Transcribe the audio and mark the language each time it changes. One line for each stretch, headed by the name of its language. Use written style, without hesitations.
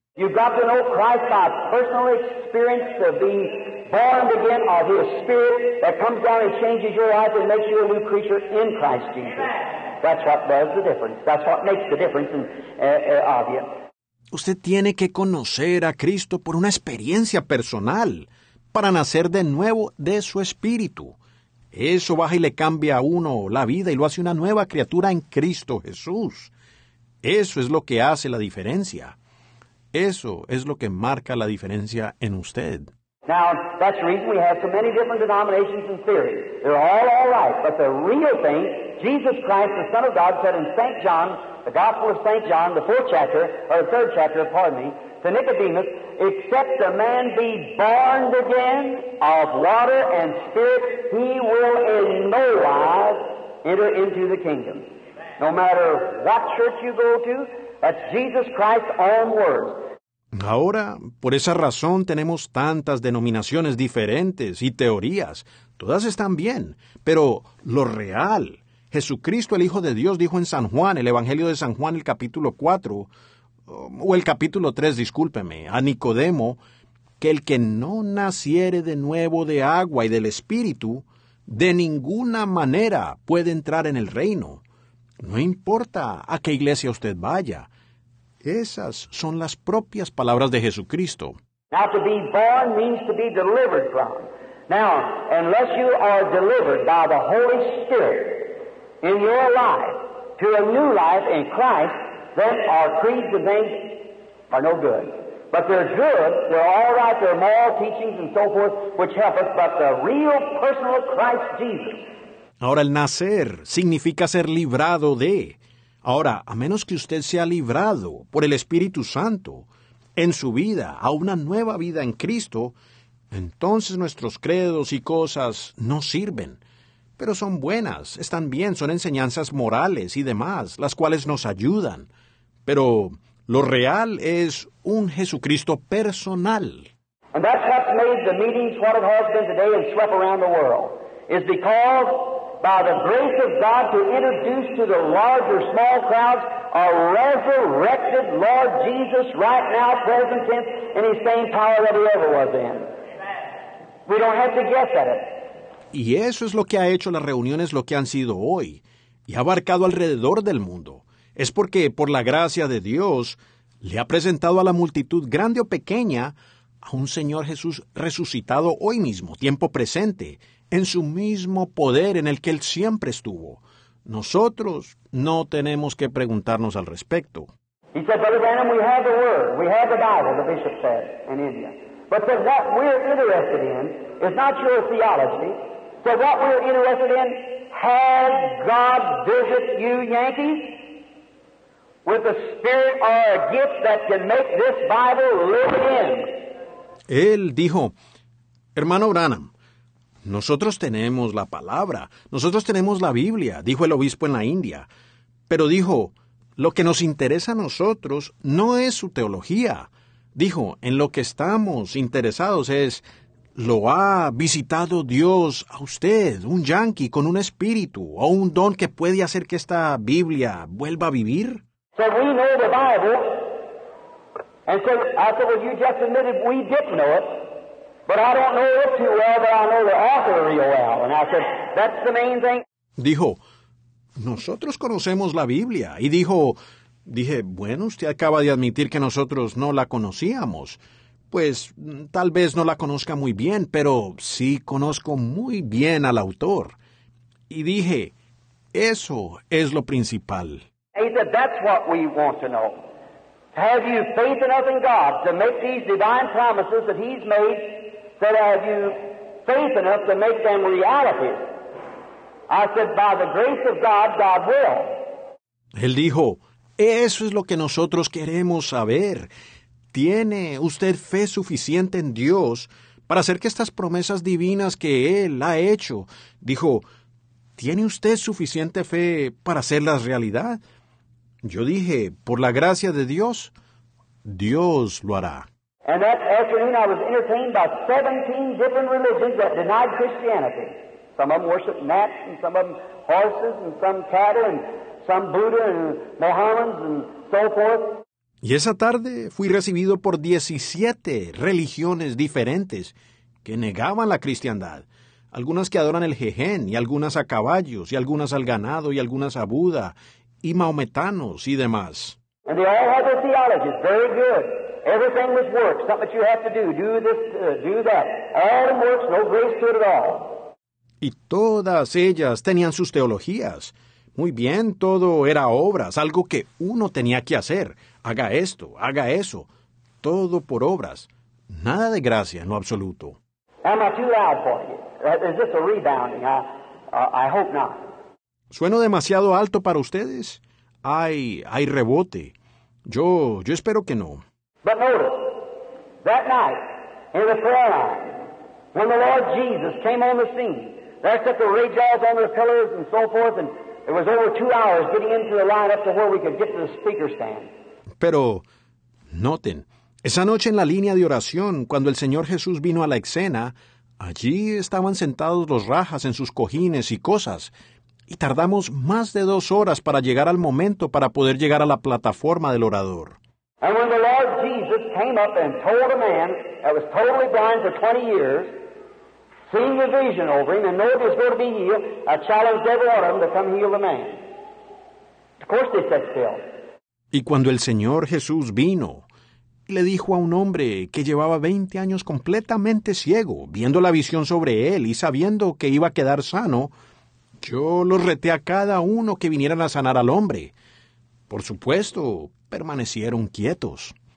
English: You've got to know Christ by personal experience of being born again of His Spirit that comes down and changes your life and makes you a new creature in Christ Jesus. That's what does the difference. That's what makes the difference in obvious.
Spanish: Usted tiene que conocer a Cristo por una experiencia personal para nacer de nuevo de su espíritu. Eso baja y le cambia a uno la vida y lo hace una nueva criatura en Cristo Jesús. Eso es lo que hace la diferencia. Eso es lo que marca la diferencia en usted.
English: Now, that's the reason we have so many different denominations and theories. They're all right, but the real thing, Jesus Christ, the Son of God, said in St. John, the Gospel of St. John, the fourth chapter, or the third chapter, pardon me, to Nicodemus, except a man be born again of water and spirit, he will in no wise enter into the kingdom. No matter what church you go to, that's Jesus Christ's own words.
Spanish: Ahora, por esa razón tenemos tantas denominaciones diferentes y teorías. Todas están bien, pero lo real, Jesucristo, el Hijo de Dios, dijo en San Juan, el Evangelio de San Juan, el capítulo 4, o el capítulo 3, discúlpeme, a Nicodemo, que el que no naciere de nuevo de agua y del Espíritu, de ninguna manera puede entrar en el reino. No importa a qué iglesia usted vaya. Esas son las propias palabras de Jesucristo.
English: Now, to be born means to be delivered from. Now, unless you are delivered by the Holy Spirit in your life to a new life in Christ, then our creeds and things are no good. But they're good, they're all right, they're moral teachings and so forth, which help us, but the real personal Christ Jesus.
Spanish: Ahora, el nacer significa ser librado de. Ahora, a menos que usted sea librado por el Espíritu Santo en su vida a una nueva vida en Cristo, entonces nuestros credos y cosas no sirven. Pero son buenas, están bien, son enseñanzas morales y demás, las cuales nos ayudan. Pero lo real es un Jesucristo personal.
English: And that's what made the meetings what it has been today and swept around the world. Is because by the grace of God to introduce to the large or small crowds a resurrected Lord Jesus right now, present tense, in his same power that he ever was in. We don't have to guess at it.
Spanish: Y eso es lo que ha hecho las reuniones lo que han sido hoy, y ha abarcado alrededor del mundo. Es porque, por la gracia de Dios, le ha presentado a la multitud, grande o pequeña, a un Señor Jesús resucitado hoy mismo, tiempo presente, en su mismo poder en el que Él siempre estuvo. Nosotros no tenemos que preguntarnos al respecto.
English: He said, Brother Branham, we have the Word, we have the Bible, the bishop said, in India. But so what we're interested in is not your theology. So what we're interested in, has God visited you, Yankees, with a spirit or a gift that can make this Bible live in?
Spanish: Él dijo, hermano Branham, nosotros tenemos la palabra, nosotros tenemos la Biblia, dijo el obispo en la India. Pero dijo, lo que nos interesa a nosotros no es su teología. Dijo, en lo que estamos interesados es, ¿lo ha visitado Dios a usted, un yankee, con un espíritu o un don que puede hacer que esta Biblia vuelva a vivir?
English: So we know the Bible. And so, I said, well, you just admitted we didn't know it, but I don't know it too well, but I know the author real well. And I said, that's the main thing.
Spanish: Dijo, nosotros conocemos la Biblia. Y dije, bueno, usted acaba de admitir que nosotros no la conocíamos. Pues, tal vez no la conozca muy bien, pero sí conozco muy bien al autor. Y dije, eso es lo principal.
English: He said, that's what we want to know. Have you faith enough in God to make these divine promises that He's made? Said, have you faith enough to make them reality? I said, by the grace of God, God will.
Spanish: Él dijo, eso es lo que nosotros queremos saber. ¿Tiene usted fe suficiente en Dios para hacer que estas promesas divinas que Él ha hecho? Dijo, ¿tiene usted suficiente fe para hacerlas realidad? Yo dije, por la gracia de Dios, Dios lo hará.
English: And that afternoon I was entertained by 17 different religions that denied Christianity. Some of them worship gnats, and some of them horses, and some cattle, and some Buddha, and Mohammedans, and so forth.
Spanish: Y esa tarde fui recibido por 17 religiones diferentes que negaban la cristiandad. Algunas que adoran el jejen, y algunas a caballos, y algunas al ganado, y algunas a Buda, y maometanos y demás.
English: And they all had their theologies, very good. Everything was works, something that you have to do, do this, do that. All works, no grace to it at all.
Spanish: Y todas ellas tenían sus teologías. Muy bien, todo era obras, algo que uno tenía que hacer. Haga esto, haga eso. Todo por obras. Nada de gracia en lo absoluto.
English: Am I too loud for you? Is this a rebounding? I hope not.
Spanish: ¿Sueno demasiado alto para ustedes? Hay rebote. Yo espero que no.
English: But notice, that night, in the prayer line, when the Lord Jesus came on the scene, there set the ray jaws on their pillars and so forth, and it was over 2 hours getting into the line up to where we could get to the speaker stand.
Spanish: Pero, noten, Esa noche en la línea de oración, cuando el Señor Jesús vino a la escena, allí estaban sentados los rajas en sus cojines y cosas, y tardamos más de 2 horas para llegar al momento para poder llegar a la plataforma del orador.
English: And when the Lord Jesus came up and told a man that was totally blind for 20 years, seeing the vision over him and knowing he was going to be healed, I challenged every one of them to come heal the man. Of course they sat still.
Spanish: Y cuando el Señor Jesús vino, le dijo a un hombre que llevaba 20 años completamente ciego, viendo la visión sobre él y sabiendo que iba a quedar sano, yo los reté a cada uno que vinieran a sanar al hombre. Por supuesto, permanecieron quietos.